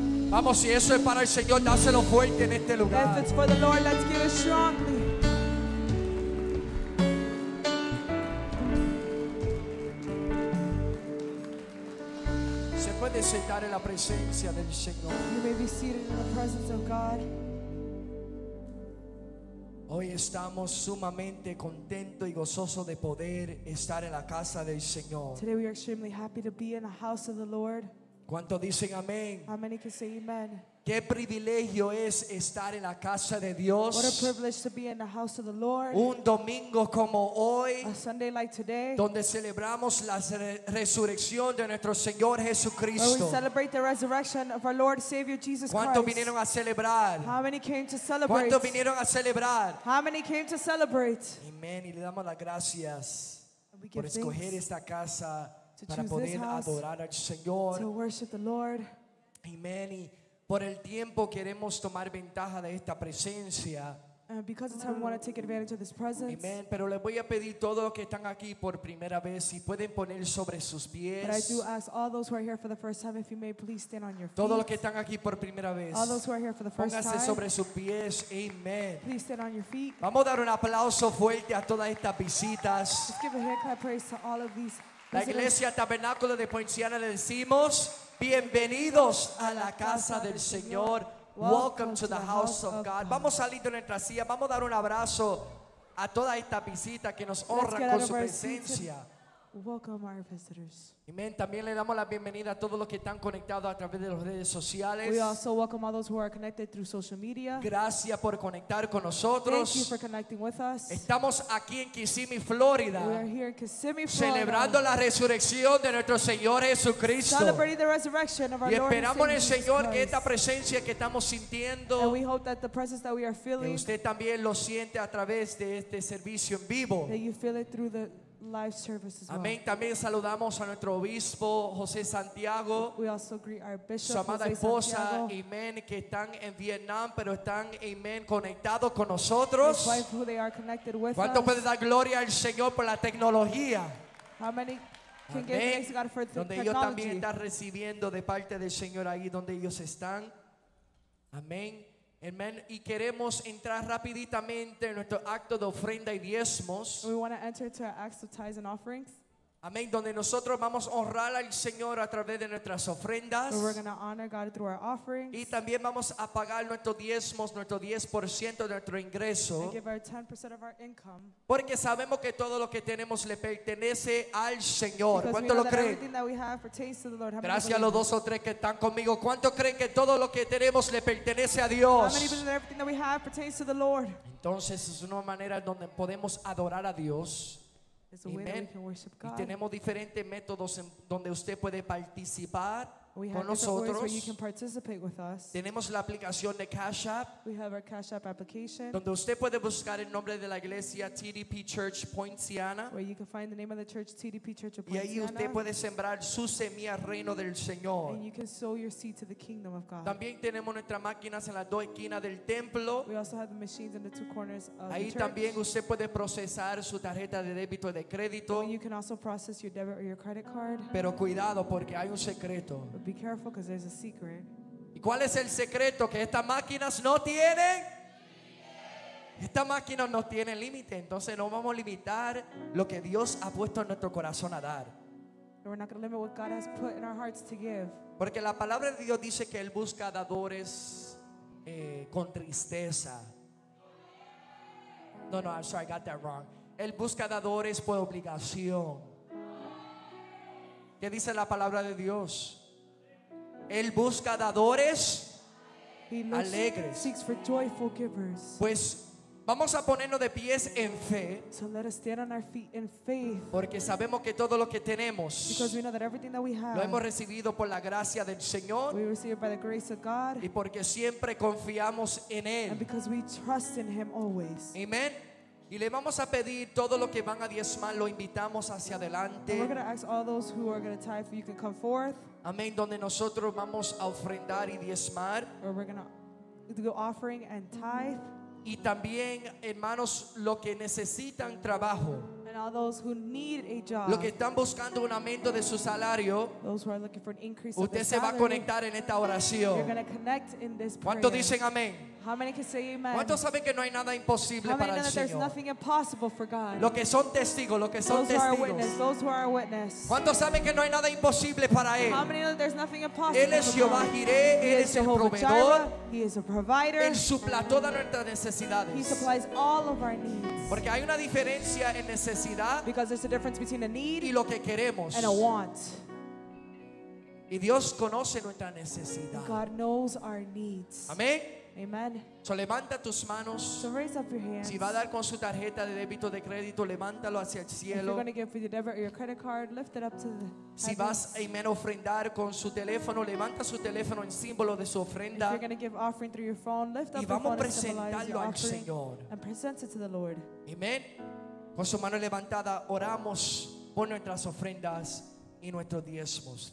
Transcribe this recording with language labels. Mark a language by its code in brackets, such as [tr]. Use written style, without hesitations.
[es] Vamos, si eso es para el Señor, dáselo fuerte en este lugar. [en] If it's for the Lord, let's give it strongly. [es] sentar en la presencia del Señor. [en] You may be seated in the presence of God. [es] Hoy estamos sumamente contentos y gozosos de poder estar en la casa del Señor. [en] Today we are extremely happy to be in the house of the Lord. [es] ¿Cuántos dicen amén? [en] How many can say amen? [es] Qué privilegio es estar en la casa de Dios. [en] What a privilege to be in the house of the Lord. [es] Un domingo como hoy, [en] a Sunday like today, [es] donde celebramos la resurrección de nuestro Señor Jesucristo. [en] Where we celebrate the resurrection of our Lord Savior Jesus Christ. [es] ¿Cuántos vinieron a celebrar? [en] How many came to celebrate? [es] ¿Cuántos vinieron a celebrar? [en] How many came to celebrate? [es] Amén. Y le damos las gracias por escoger esta casa para poder adorar al Señor. [en] To worship the Lord. [es] Amén. Por el tiempo queremos tomar ventaja de esta presencia. [en] Because of time, we want to take advantage of this presence. Amen. [es] Pero les voy a pedir todos los que están aquí por primera vez si pueden poner sobre sus pies. [en] But I do ask all those who are here for the first time if you may please stand on your feet. [es] Todos los que están aquí por primera vez. [en] All those who are here for the first [es] Pónganse [en] time. [es] Pónganse sobre sus pies. Amen. [en] Please stand on your feet. [es] Vamos a dar un aplauso fuerte a todas estas visitas. [en] Let's give a hand clap praise to all of these. [es] La Iglesia Tabernáculo de Poinciana le decimos bienvenidos a la casa del Señor. [en] Welcome to the house of God. [es] Vamos a salir de nuestra silla. Vamos a dar un abrazo a toda esta visita que nos honra con su presencia. [en] Welcome our visitors. Amen. [es] También le damos la bienvenida a todos los que están conectados a través de las redes sociales. [en] We also welcome all those who are connected through social media. [es] Gracias por conectar con nosotros. [en] Thank you for connecting with us. [es] Estamos aquí en Kissimmee, Florida. [en] We are here in Kissimmee, Florida. [es] Celebrando la resurrección de nuestro Señor Jesucristo. [en] Celebrating the resurrection of our [es] y esperamos [en] Lord [es] en el Señor que esta presencia que estamos sintiendo. [en] And we hope that the presence that we are feeling. [es] Que usted también lo siente a través de este servicio en vivo. [en] That you feel it through the live service as well. [es] Amén. También saludamos a nuestro obispo José Santiago. [en] We also greet our bishop, [es] su amada esposa, Santiago. Amén, que están en Vietnam, pero están, amén, conectados con nosotros. [en] His wife, who they are connected with. [es] ¿Cuánto puede dar gloria al Señor por la tecnología? [en] How many can give thanks to God for [es] donde [en] technology? [es] Donde ellos también están recibiendo de parte del Señor ahí donde ellos están. Amén. Amen. Y queremos entrar rapiditamente en nuestro acto de ofrenda y diezmos. [en] We want to enter to our acts of tithes and offerings. [es] Amén. Donde nosotros vamos a honrar al Señor a través de nuestras ofrendas. [en] We're going to honor God through our offerings. [es] Y también vamos a pagar nuestros diezmos, nuestro 10% de nuestro ingreso. [en] And give our 10% of our income. [es] Porque sabemos que todo lo que tenemos le pertenece al Señor. ¿Cuánto lo creen? [en] Because we know that everything that we have pertains to the Lord. [es] Gracias a los dos o tres que están conmigo. ¿Cuánto creen que todo lo que tenemos le pertenece a Dios? [en] How many believe that everything that we have pertains to the Lord? [es] Entonces es una manera donde podemos adorar a Dios. [en] It's a way that we can worship God. [es] Y tenemos diferentes métodos en donde usted puede participar con nosotros. [en] Where you can participate with us. [es] Tenemos la aplicación de Cash App. [en] We have our Cash App application. [es] Donde usted puede buscar el nombre de la iglesia TDP Church Poinciana. [en] Where you can find the name of the church TDP Church of Poinciana. [es] Y ahí usted puede sembrar su semilla al reino del Señor. [en] And you can sow your seed to the kingdom of God. [es] También tenemos nuestras máquinas en las dos esquinas del templo. [en] We also have the machines in the two corners of [es] ahí [en] the church. [es] Ahí también usted puede procesar su tarjeta de débito de crédito. [en] And you can also process your debit or your credit card. [es] Pero cuidado porque hay un secreto. [en] Be careful because there's a secret. [es] ¿Y cuál es el secreto? Que estas máquinas no tienen. Estas máquinas no tienen límite. Entonces no vamos a limitar lo que Dios ha puesto en nuestro corazón a dar. [en] We're not going to limit what God has put in our hearts to give. [es] Porque la palabra de Dios dice que Él busca dadores con tristeza. [en] No, no, I'm sorry, I got that wrong. [es] Él busca dadores por obligación. ¿Qué dice la palabra de Dios? Él busca dadores alegres. [en] Seeks for joyful givers. [es] Pues vamos a ponernos de pies en fe. [en] So let us stand on our feet in faith. [es] Porque sabemos que todo lo que tenemos. [en] Because we know that everything that we have. [es] Lo hemos recibido por la gracia del Señor. [en] We receive it by the grace of God. [es] Y porque siempre confiamos en Él. [en] And because we trust in Him always. Amen. [es] Y le vamos a pedir todo lo que van a diezmar, lo invitamos hacia adelante. [en] And we're going to ask all those who are going to tithe if you can come forth. [es] Amén, donde nosotros vamos a ofrendar y diezmar. [en] Where we're going to do offering and tithe. [es] Y también, hermanos, lo que necesitan trabajo. [en] And all those who need a job. [es] Lo que están buscando un aumento de su salario. [en] Those who are looking for an increase [es] usted [en] of their [es] se va a conectar en esta oración. [en] You're going to connect in this prayer. [es] ¿Cuánto dicen amén? [en] How many can say amen? [es] ¿Cuántos saben que no hay nada imposible para el Señor? [en] How many know that there's nothing impossible for God? [es] Lo que son testigos, lo que son testigos. [en] Those who are witness. [es] ¿Cuántos saben que no hay nada imposible para él? [en] How many know that there's nothing impossible for [es] God? Él es Jehová Jireh, él es el proveedor. [en] He is a provider. [es] Él supla todas nuestras necesidades. [en] He supplies all of our needs. [es] Porque hay una diferencia en necesidad. [en] Because there's a difference between a need [es] y lo que queremos. [en] And a want. [es] Y Dios conoce nuestra necesidad. [en] God knows our needs. [es] Amén. [en] Amen. [es] So levanta tus manos. [en] So raise up your hands. [es] Si va a dar con su tarjeta de débito de crédito, levántalo hacia el cielo. [en] If you're going to give with your debit or your credit card, lift it up to the heavens. [es] Si vas a amen ofrendar con su teléfono, levanta su teléfono en símbolo de su ofrenda. [en] If you're going to give offering through your phone, lift up [es] y vamos a presentarlo al Señor. [en] And present it to the Lord. Amen. [es] Con su mano levantada, oramos por nuestras ofrendas y nuestros diezmos.